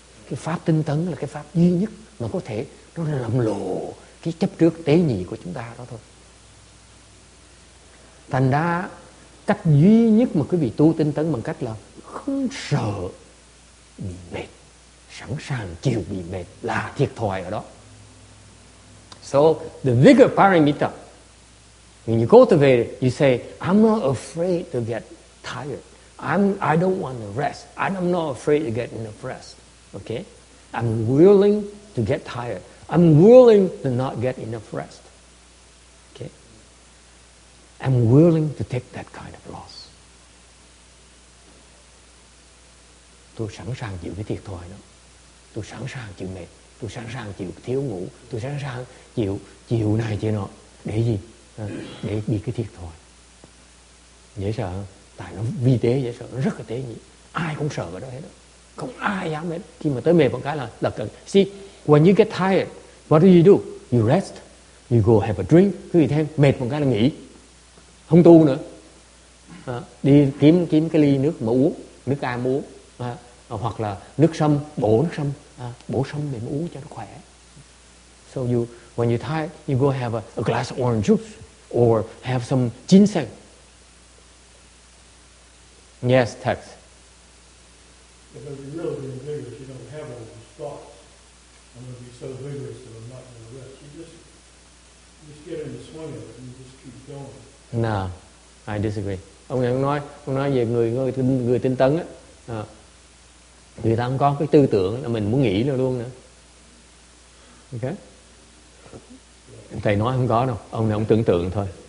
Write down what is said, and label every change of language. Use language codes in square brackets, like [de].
[vi] Cái pháp tinh tấn là cái pháp duy nhất mà có thể nó làm lộ cái chấp trước tế nhị của chúng ta đó thôi. Thành ra, cách duy nhất mà quý vị tu tinh tấn bằng cách là không sợ bị mệt, sẵn sàng chịu bị mệt là thiệt thòi ở đó. [en] So the vigor paramita, when you cultivate it, you say, I'm not afraid to get tired. I don't want to rest. I'm not afraid to get enough rest. Okay? I'm willing to get tired. I'm willing to not get enough rest. Okay? I'm willing to take that kind of loss. [vi] Tôi sẵn sàng chịu cái thiệt thòi đó. Tôi sẵn sàng chịu mệt. Tôi sẵn sàng chịu thiếu ngủ. Tôi sẵn sàng chịu này chịu nọ. Để gì? Để bị cái thiệt thòi. Dễ sợ không? Tại nó vì tế dễ sợ, rất là tế nhỉ. Ai cũng sợ ở đó hết. Không ai dám hết. Khi mà tới mệt một cái là cần. [en] See, when you get tired, what do? You rest. You go have a drink. [vi] Cứ gì thêm, mệt một cái là nghỉ. Không tu nữa. Đi kiếm cái ly nước mà uống. Nước ai mà uống. Hoặc là nước sâm, bổ nước sâm. Bổ sâm để mà uống cho nó khỏe. [en] So you, when you're tired, you go have a glass of orange juice. Or have some ginseng. Yes, text. If I'm really vigorous, you don't have all these thoughts. I'm going to be so vigorous that I'm not going to rest. You just get in the swing of it and you just keep going. No, I disagree. [vi] Ông nói về người tinh tấn á, người ta không có cái tư tưởng là mình muốn nghỉ nữa luôn nữa. Okay. Thầy nói không có đâu. Ông này ông tưởng tượng thôi.